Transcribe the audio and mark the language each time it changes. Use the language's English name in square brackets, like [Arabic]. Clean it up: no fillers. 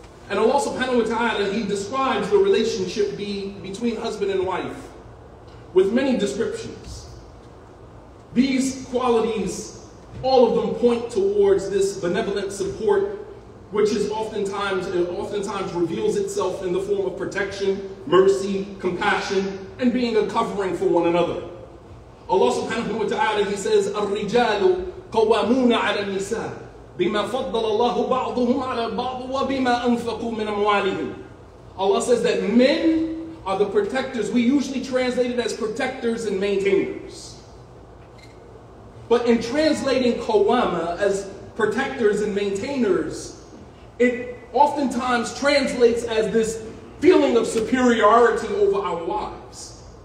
[English] And Allah subhanahu wa ta'ala, He describes the relationship between husband and wife with many descriptions. These qualities, all of them point towards this benevolent support, which is oftentimes reveals itself in the form of protection, mercy, compassion, and being a covering for one another. [Arabic] Allah subhanahu wa ta'ala, [English] He says, [Arabic] الرِّجَالُ قَوَّامُونَ عَلَى النِّسَاءِ بِمَا فَضَّلَ اللَّهُ بَعْضُهُمْ عَلَى بَعْضٍ وَبِمَا أَنفَقُوا مِنْ أَمْوَالِهِمْ. [English] Allah says that men are the protectors. We usually translate it as protectors and maintainers. But in translating qawama as protectors and maintainers, it oftentimes translates as this feeling of superiority over our wives.